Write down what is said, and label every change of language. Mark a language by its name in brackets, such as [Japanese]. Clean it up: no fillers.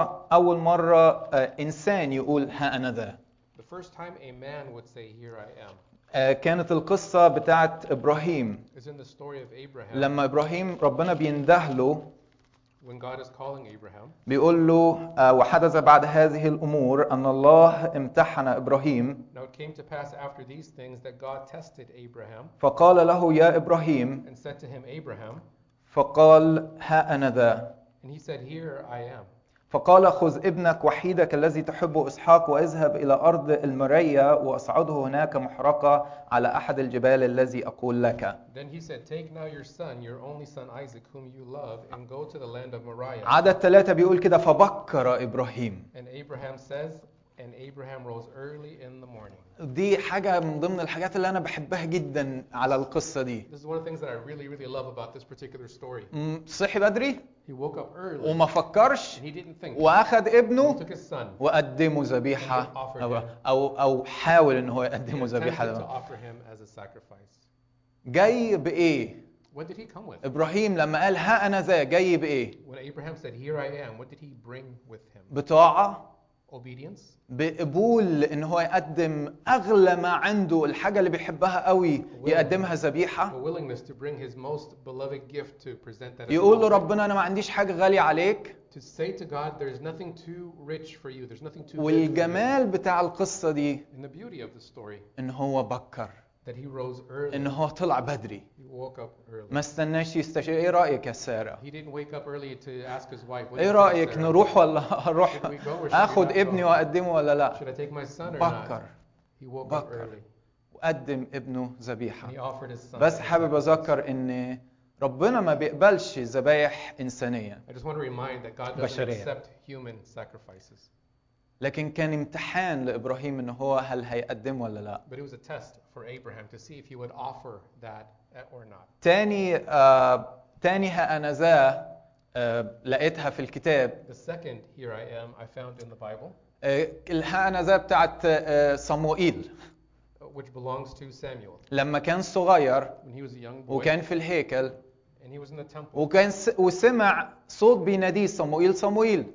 [Arabic] أول مرة إنسان يقول ها أنا ذا. [English] The first time a man would say here I am. [Arabic] كانت القصة بتاعت إبراهيم. [English] Is in the story of Abraham. [Arabic] لما إبراهيم ربنا بيندهله. [English] When God is calling Abraham, [Arabic] بيقول له وحدث بعد هذه الأمور أن الله امتحن إبراهيم. [English] Now it came to pass after these things that God tested Abraham. [Arabic] فقال له يا إبراهيم. [English] And said to him, Abraham. [Arabic] فقال ها أنا ذا. [English] And he said, Here I am. [Arabic] فقال خذ ابنك وحيدك الذي تحب إسحاق واذهب إلى أرض المرية وأصعده هناك محرقة على أحد الجبال الذي أقول لك. [English] Then he said, take now your son, your only son Isaac, whom you love, and go to the land of Moriah. [Arabic] عدد ثلاثة بيقول كده فبكر إبراهيم. [English] And Abraham says, and Abraham rose early in the morning. [Arabic] دي حاجة من ضمن الحاجات اللي أنا بحبها جدا على القصة دي. [English] This is one of the things that I really really love about this particular story. [Arabic] صحي بدري. [English] He woke up early. [Arabic] وما فكرش. [English] And he didn't think. [Arabic] وأخذ ابنه. [English] He took his son. [Arabic] وقدمه ذبيحة. أو حاول إن هو يقدمه ذبيحة. [English] He attempted to offer him as a sacrifice. [Arabic] جاي بإيه؟ [English] What did he come with? [Arabic] إبراهيم لما قال ها أنا ذا جاي بإيه؟ [English] When Abraham said here I am, what did he bring with him? [Arabic] بطاعة. [English] Obedience. [Arabic] بقبول إن هو يقدم أغلى ما عنده الحاجة اللي بيحبها قوي يقدمها ذبيحة. [English] Willingness to bring his most beloved gift to present that. [Arabic] يقول له ربنا أنا ما عنديش حاجة غالية عليك. [English] To say to God, there's nothing too rich for you. There's nothing too. [Arabic] والجمال بتاع القصة دي. [English] In the beauty of the story. [Arabic] إن هو بكر. [English] That he rose early. [Arabic] إن هو طلع بدري. [English] He woke up early. [Arabic] ما استناش يستشير. إيه رأيك يا سارة؟ [English] He didn't wake up early to ask his wife. [Arabic] إيه رأيك نروح ولا أروح؟ أخد ابني وأقدمه ولا لا؟ [English] Should I take my son or not? [Arabic] بكر. [English] He woke up early. [Arabic] وقدم ابنه ذبيحة. [English] He offered his son. [Arabic] بس حابب أذكر إن ربنا ما بيقبلش ذبائح إنسانية. [English] I just want to remind that God doesn't accept human sacrifices. [Arabic] لكن كان امتحان لإبراهيم إن هو هل هيقدم ولا لا. [English] But it was a test for Abraham to see if he would offer that or not. [Arabic] تاني ها أنا ذا لقيتها في الكتاب. [English] The second here I am I found in the Bible. [Arabic] الها أنا ذا بتاعت صموئيل. [English] Which belongs to Samuel. [Arabic] لما كان صغير. [English] When he was a young boy. [Arabic] وكان في الهيكل. [English] And he was in the temple. [Arabic] وسمع صوت بيناديه صموئيل صموئيل.